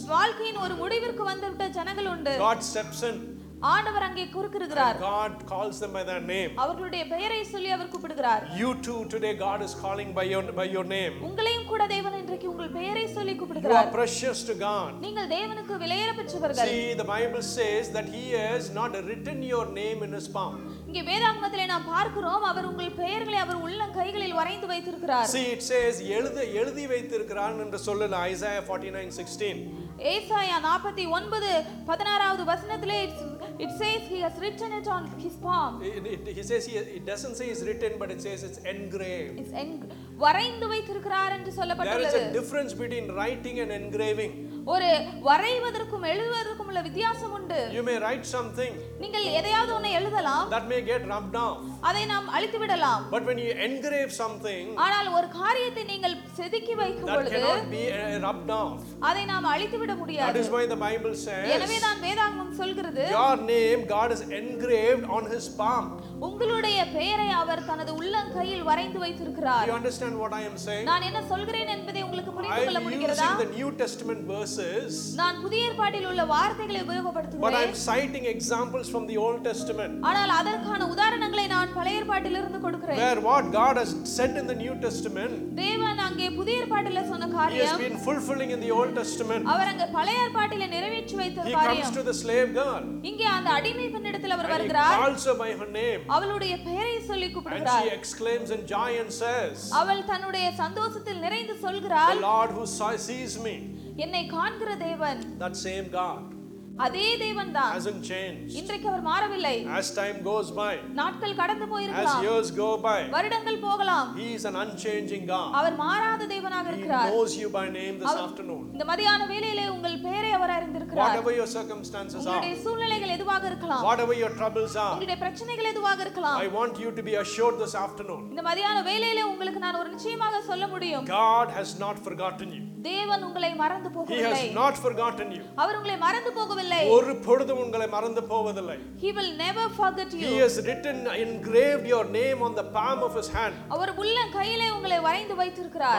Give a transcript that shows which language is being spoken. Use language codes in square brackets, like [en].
[ta] வாழ்க்கையின் ஒரு முடிவிற்கு வந்துவிட்ட ஜனங்கள் உண்டு [en] god steps in [ta] ஆண்டவர் அங்கே கூறுகிறார். [en] God calls them by their name. [ta] அவர்களுடைய பெயரை சொல்லி அவர் கூப்பிடுகிறார். [en] You too today God is calling by your name. [ta] உங்களையும் கூட தேவன் இன்றைக்கு உங்கள் பெயரை சொல்லி கூப்பிடுகிறார். [en] You are precious to God. [ta] நீங்கள் தேவனுக்கு விலையேறப்பட்டவர்கள். [en] See the Bible says that he has not written your name in his palm. [ta] இங்கே வேதாகமத்திலே நாம் பார்க்கிறோம் அவர் உங்கள் பெயர்களை அவர் உள்ள கைகளில் வரைந்து வைத்திருக்கிறார். [en] See it says [ta] எழுதி வைத்திருக்கிறார் என்று சொல்லல Isaiah 49:16. ஏசாயா 49:16 வசனத்திலே [en] it says he has written it on his palm. He doesn't say it's written but it says it's engraved. It's [ta] வரைந்து வைத்திருக்கிறார் என்று சொல்லப்பட்டுள்ளது. [en] There is a difference between writing and engraving. [ta] ஒரு வரைவதற்கும் எழுதுவதற்கும் உள்ள வித்தியாசம் உண்டு. [en] You may write something. [ta] நீங்கள் எதையாவது ஒன்றை எழுதலாம். [en] That may get rubbed off. [ta] அதை நாம் அழித்து விடலாம். [en] But when you engrave something. [ta] ஆனால் ஒரு காரியத்தை நீங்கள் செதுக்கி வைக்கும் பொழுது. [en] That cannot be rubbed off. [ta] அதை நாம் அழித்து விட முடியாது. [en] That is why the Bible says. [ta] எனவே தான் வேதாகமம் சொல்கிறது. [en] Your name God has engraved on his palm. [ta] உங்களுடைய பெயரை அவர் தனது உள்ளங்கையில் வரைந்து வைத்திருக்கிறார். [en] You understand what I am saying? [ta] நான் என்ன சொல்கிறேன் என்பதை உங்களுக்கு புரிந்துகொள்ள முடிகிறதா? [en] I am using the New Testament verses. [ta] நான் புதிய ஏற்பாட்டில் உள்ள வார்த்தைகளை உபயோகப்படுத்துகிறேன். [en] But I am citing examples from the Old Testament. [ta] ஆனால் அதற்கான உதாரணங்களை நான் பழைய ஏற்பாட்டிலிருந்து கொடுக்கிறேன். [en] Where what God has said in the New Testament. [ta] தேவன் அங்கே புதிய ஏற்பாட்டில் சொன்ன காரியம். [en] He has been fulfilling in the Old Testament. [ta] அவர் அங்கே பழைய ஏற்பாட்டில் நிறைவேற்றி வைத்த காரியம். [en] He comes to the slave girl. [ta] இங்கே அந்த அடிமை பெண்ணிடத்தில் அவர் வருகிறார். [en] He calls her by her name. [ta] அவளுடைய பெயரை சொல்லி கூப்பிடுகிறார். [en] She exclaims in joy and says. [ta] அவள் தன்னுடைய சந்தோஷத்தில் நிறைந்து சொல்கிறாள். [en] The Lord who sees me. [ta] என்னை காண்கிற தேவன். [en] That same God. [ta] அதே தேவன் தான். [en] Hasn't changed. [ta] இன்றைக்கு அவர் மாறவில்லை. [en] As time goes by. [ta] நாட்கள் கடந்து போயிருக்கலாம். [en] As years go by. [ta] வருடங்கள் போகலாம். [en] He is an unchanging God. [ta] அவர் மாறாத தேவனாக இருக்கிறார். [en] He knows you by name this afternoon. [ta] இந்த மதியான வேளையிலே உங்கள் பெயரை அவர் அறிந்திருக்கிறார். [en] Whatever your circumstances are. [ta] உங்களுடைய சூழ்நிலைகள் எதுவாக இருக்கலாம். [en] Whatever your troubles are. [ta] உங்களுடைய பிரச்சனைகள் எதுவாக இருக்கலாம். [en] I want you to be assured this afternoon. [ta] இந்த மதியான வேளையிலே உங்களுக்கு நான் ஒரு நிச்சயமாக சொல்ல முடியும். [en] God has not forgotten you. [ta] தேவன் உங்களை மறந்து போகவில்லை. [en] He has not forgotten you. [ta] அவர் உங்களை மறந்து போகவில்லை. ஒரு பொழுதும் உங்களை மறந்து போவதில்லை. [en] He will never forget you. He has written engraved your name on the palm of his hand. [ta] அவர் உள்ள கையிலே உங்களை வரைந்து வைத்திருக்கிறார்.